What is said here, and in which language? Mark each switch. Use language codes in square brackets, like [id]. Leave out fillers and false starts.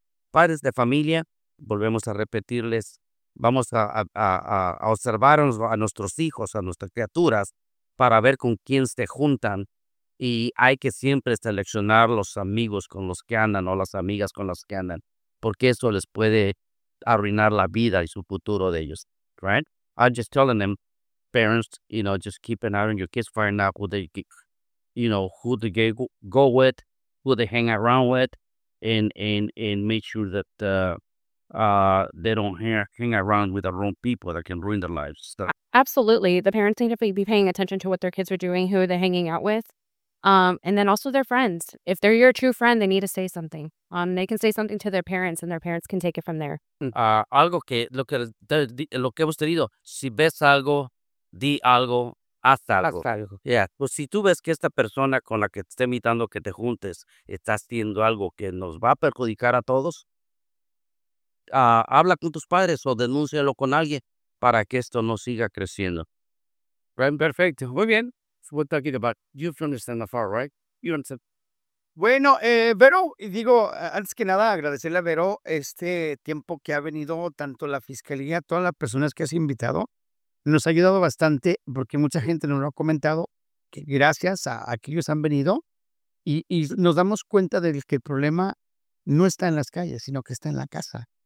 [es] Padres de familia, volvemos a repetirles, vamos a observar a nuestros hijos, a nuestras criaturas, para ver con quién se juntan. Y hay que siempre seleccionar los amigos con los que andan o las amigas con las que andan, porque eso les puede arruinar la vida y su futuro de ellos. [en] Right? I'm just telling them, parents, you know, just keep an eye on your kids, find out who they, you know, who they go with, who they hang around with, and make sure that they don't hang around with the wrong people that can ruin their lives. So. Absolutely. The parents need to be paying attention to what their kids are doing, who they're hanging out with, and then also their friends. If they're your true friend, they need to say something. They can say something to their parents, and their parents can take it from there. [es] Algo que, lo que hemos tenido, si ves algo, di algo, haz algo. Haz algo. [en] Yeah. [es] Pues si tú ves que esta persona con la que te está invitando que te juntes está haciendo algo que nos va a perjudicar a todos, habla con tus padres o denúncialo con alguien para que esto no siga creciendo. Perfecto. Muy bien. [en] we're talking about, you have to understand the far, right? You understand. [es] Bueno, Vero, y digo, antes que nada, agradecerle a Vero este tiempo que ha venido, tanto la fiscalía, todas las personas que has invitado. Nos ha ayudado bastante porque mucha gente nos lo ha comentado, que gracias a que ellos han venido y nos damos cuenta de que el problema no está en las calles, sino que está en la casa.